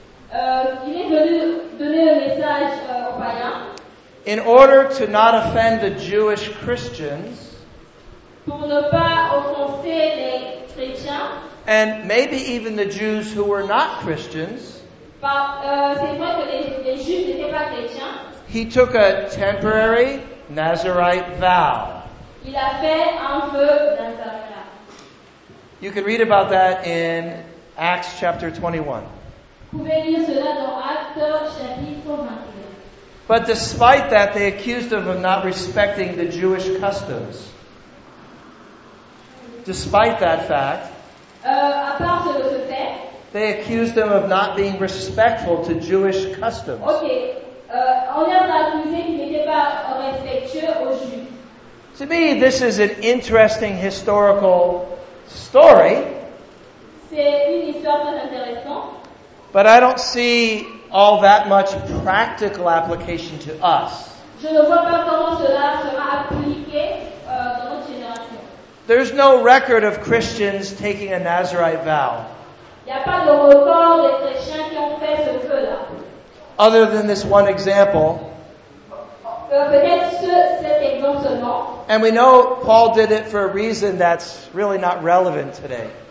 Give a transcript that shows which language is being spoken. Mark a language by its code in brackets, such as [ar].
[fr] il est venu donner le message. [en] In order to not offend the Jewish Christians, [fr] pour ne pas offenser les chrétiens, [en] and maybe even the Jews who were not Christians, [fr] c'est vrai que les Juifs n'étaient pas chrétiens, [en] he took a temporary Nazarite vow. [fr] Il a fait un vœu Nazaréen. [en] You can read about that in Acts chapter 21. [fr] Vous pouvez lire cela dans Actes chapitre 21. [en] But despite that, they accused him of not respecting the Jewish customs. Despite that fact, [fr] à part ce fait, [en] they accused him of not being respectful to Jewish customs. Okay. [fr] On a accusé qu'il n'était pas respectueux aux Juifs. [en] To me, this is an interesting historical story. [fr] C'est une histoire très intéressante. [en] But I don't see all that much practical application to us. [fr] Je ne vois pas comment cela sera appliqué dans notre génération. [en] There's no record of Christians taking a Nazarite vow. [fr] Il n'y a pas de record des chrétiens qui ont fait ce vœu-là. [en] other than this one example. And we know Paul did it for a reason that's really not relevant today.